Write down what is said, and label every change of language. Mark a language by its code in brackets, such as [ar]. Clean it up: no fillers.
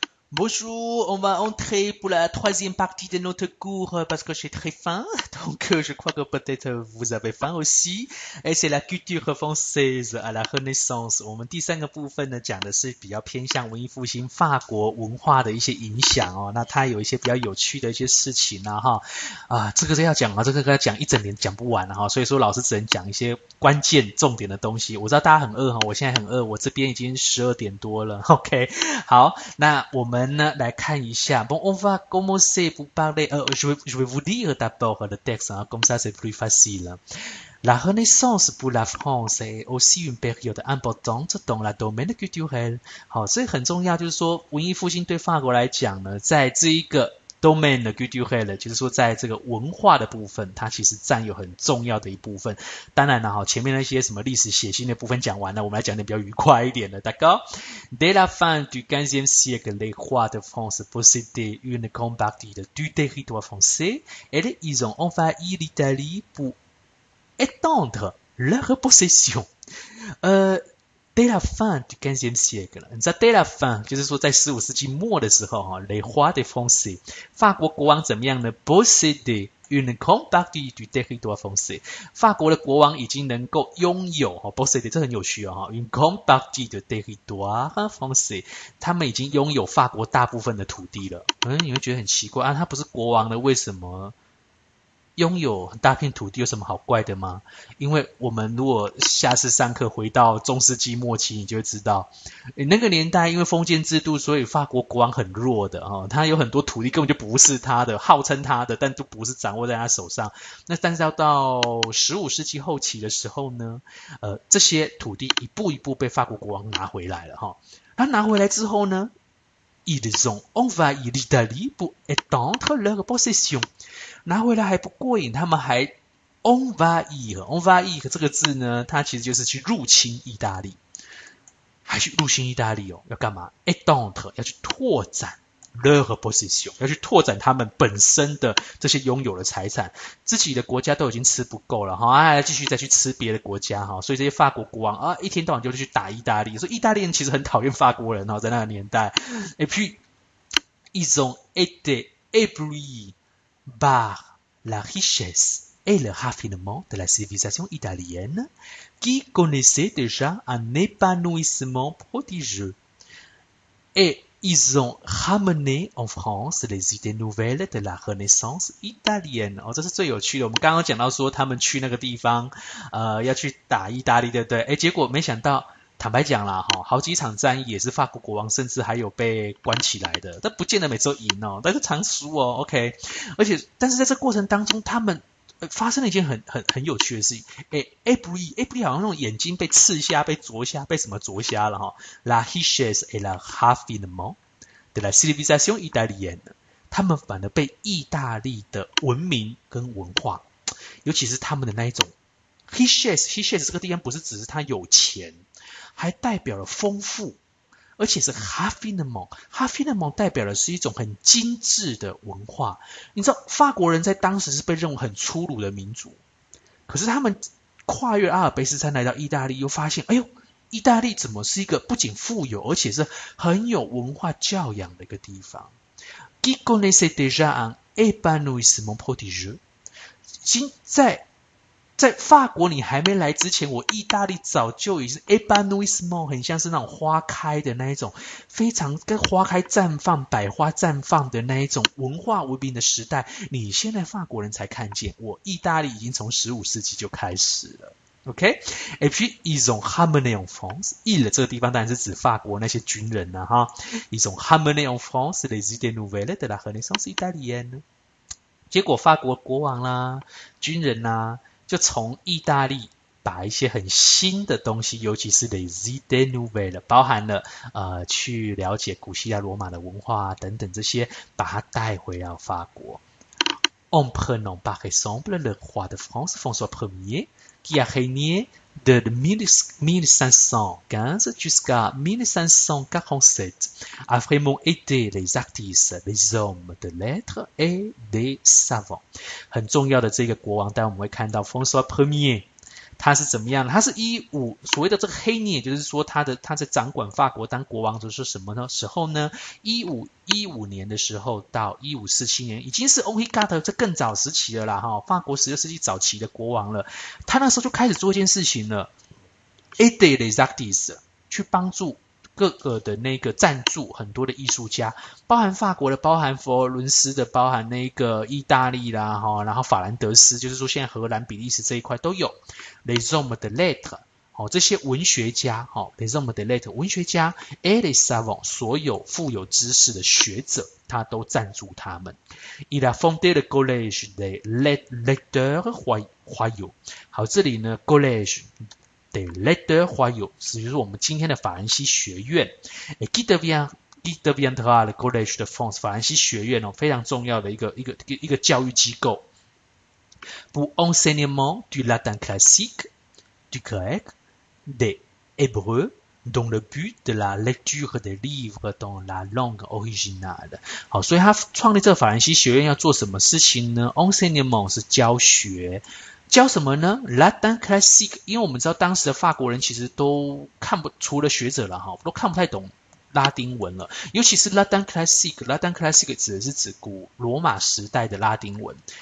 [fr] Bonjour, on va entrer pour la troisième partie de notre cours parce que j'ai très faim, donc je crois que peut-être vous avez faim aussi. Et c'est la culture française à la Renaissance. [zh] 我们第三个部分呢，讲的是比较偏向文艺复兴法国文化的一些影响哦。那它有一些比较有趣的一些事情呢，哈啊，这个要讲啊，这个要讲一整年讲不完啊，哈。所以说老师只能讲一些关键重点的东西。我知道大家很饿哈，我现在很饿，我这边已经12点多了。OK，好，那我们。那来看一下， [fr] Bon, on va commencer pour parler. Je vais vous lire d'abord le texte, hein, comme ça c'est plus facile. La Renaissance pour la France est aussi une période importante dans le domaine culturel. [zh] 好，所以很重要，就是说文艺复兴对法国来讲呢，在这一个 domain 的 culturel，就是说在这个文化的部分，它其实占有很重要的一部分。当然了，哈，前面那些什么历史血腥的部分讲完了，我们来讲点比较愉快一点的， [fr] d'accord? Dès la fin du XVe siècle, les rois de France possédaient une grande partie du territoire français et ils ont envahi l'Italie pour étendre leur possession. Dès la fin du XVe siècle, [zh] 你知道 [fr] dès la fin [zh] 就是说在15世纪末的时候哈， [fr] les rois de France [zh] 法国国王怎么样呢？ [fr] possédait une grande partie du territoire français [zh] 法国的国王已经能够拥有哈，possédait 这很有趣哦哈， [fr] une grande partie du territoire français [zh] 他们已经拥有法国大部分的土地了。你会觉得很奇怪啊，他不是国王的，为什么？拥有很大片土地有什么好怪的吗？因为我们如果下次上课回到中世纪末期，你就会知道，那个年代因为封建制度，所以法国国王很弱的哦，他有很多土地根本就不是他的，号称他的，但都不是掌握在他手上。那但是要到15世纪后期的时候呢，这些土地一步一步被法国国王拿回来了哈。他拿回来之后呢？ [fr] Ils ont envahi l'Italie pour étendre leur possession. [zh] 拿回来还不过瘾，他们还 envahi 这个字呢，它其实就是去入侵意大利，还去入侵意大利哦，要干嘛？étendre 要去拓展 [fr] leur possession [zh] 要去拓展他们本身的这些拥有的财产，自己的国家都已经吃不够了哈，还、啊、继续再去吃别的国家哈，所以这些法国国王啊，一天到晚就是去打意大利，所以意大利人其实很讨厌法国人哦，在那个年代。 [fr] Et puis, ils ont été ébloui par la richesse et le raffinement de la civilisation italienne, qui connaissait déjà un épanouissement prodigieux. Et ils ont ramené en France les idées nouvelles de la Renaissance italienne. [zh] 哦，这是最有趣的。我们刚刚讲到说，他们去那个地方，要去打意大利，对不对？哎，结果没想到。坦白讲啦，哈，好几场战役也是法国国王，甚至还有被关起来的，但不见得每次都赢哦，但是常输哦，OK。而且，但是在这过程当中，他们发生了一件很有趣的事情。 Ébloui 好像那种眼睛被刺瞎、被灼瞎、被什么灼瞎了哈。 [fr] La richesse et le raffinement de la civilisation italienne， [zh] 他们反而被意大利的文明跟文化，尤其是他们的那一种 richesse 这个地方不是只是他有钱。还代表了丰富，而且是 raffinement 代表的是一种很精致的文化。你知道法国人在当时是被认为很粗鲁的民族，可是他们跨越阿尔卑斯山来到意大利，又发现，哎呦，意大利怎么是一个不仅富有，而且是很有文化教养的一个地方。 [fr] Qui connaissait déjà un épanouissement prodigieux？ [zh] 在法国你还没来之前，我意大利早就已经 épanouissement 很像是那种花开的那一种，非常跟花开绽放、百花绽放的那一种文化文明的时代。你现在法国人才看见，我意大利已经从15世纪就开始了。 [fr] OK, et puis ils ont ramené en France, ils [zh] 这个地方当然是指法国那些军人啊，哈， [fr] ils ont ramené en France les idées nouvelles de la Renaissance italienne。 [zh] 结果法国国王啦、军人啦。就从意大利把一些很新的东西，尤其是 [fr] les idées nouvelles [zh] 包含了去了解古希腊罗马的文化、等等这些，把它带回到法国。 [fr] En prenant par exemple le roi de France François Ier qui a régné de 1515 jusqu'à 1547 a vraiment aidé les artistes, les hommes de lettres et des savants. [zh] 很重要的这个国王，但我们会看到 [fr] François Ier [zh] 他是怎么样？他是一五所谓的这个黑涅，也就是说他在掌管法国当国王的是什么呢？时候呢，1515年的时候到1547年，已经是 Henri IV 这更早时期的啦哈，法国16世纪早期的国王了。他那时候就开始做一件事情了， [fr] aider les artistes [zh] 去帮助各个的那个赞助很多的艺术家，包含法国的，包含佛罗伦斯的，包含那个意大利啦，哈，然后法兰德斯，就是说现在荷兰、比利时这一块都有。 [fr] Les hommes de lettres， [zh] 哦，这些文学家，哦， [fr] les hommes de lettres [zh] 文学家， [fr] et les savants [zh] 所有富有知识的学者，他都赞助他们。 [fr] Il a fondé le collège des lettres royaux。 [zh] 好，这里呢，collège。 [fr] De lettres royaux， [zh] 也就是我们今天的法兰西学院。哎， [fr] qui deviendra le collège de France， [zh] 法兰西学院哦，非常重要的一个教育机构。 [fr] Pour enseignement du latin classique, du grec, des hébreux, dont le but de la lecture des livres dans la langue originale。 [zh] 好，所以他创立这个法兰西学院要做什么事情呢？Enseignement 是教学。教什么呢？Latin classique，因为我们知道当时的法国人其实都看不，除了学者了哈，都看不太懂拉丁文了。尤其是 Latin classique，Latin classique 指的是指古罗马时代的拉丁文。